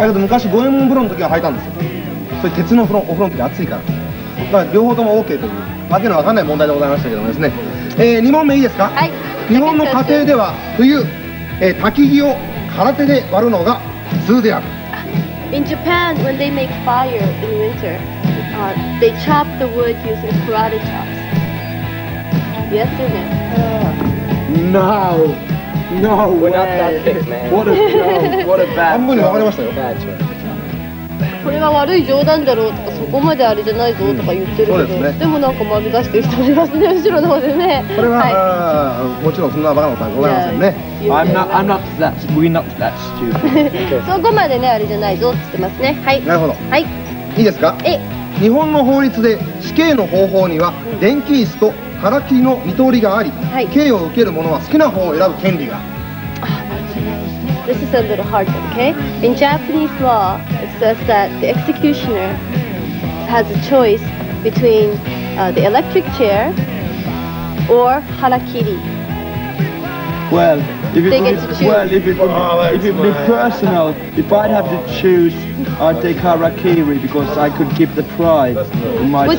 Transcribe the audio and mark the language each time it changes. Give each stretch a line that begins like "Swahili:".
Japanese: だけど昔、五右衛門風呂の時は履いたんですよ。それ鉄のお風呂の時は熱いから。だから両方とも OK という。わけのわかんない問題でございましたけどもですね、 2問目いいですか。はい。日本の家庭では冬、焚き火を空手で割るのが普通である。
English: In Japan, when they make fire in winter, they chop the wood using karate chops. Yes or no? No! No way! We're not that big, man. What a bad choice.
Japanese: 半分で分かりましたよ。これは悪い冗談だろうとか、そこまであれじゃないぞとか言ってるけど、うん、ね、でもなんか丸出してる人もいますね、後ろの方でね。これは、はい、もちろんそんなバカなことはございませんね。
English: I'm not that stupid
Japanese: そこまでね、あれじゃないぞって言ってますね。はい、なるほど。はい、いいですか。え、日本の法律で死刑の方法には電気椅子と腹切りの二通りがあり、はい、刑を受ける者は好きな方を選ぶ権利が。
English: This is a little hard, okay? In Japanese law, it says that the executioner has a choice between the electric chair or harakiri. Well, if it would be, well, be personal, if I'd have to choose, I'd take harakiri because I could keep the pride in myself.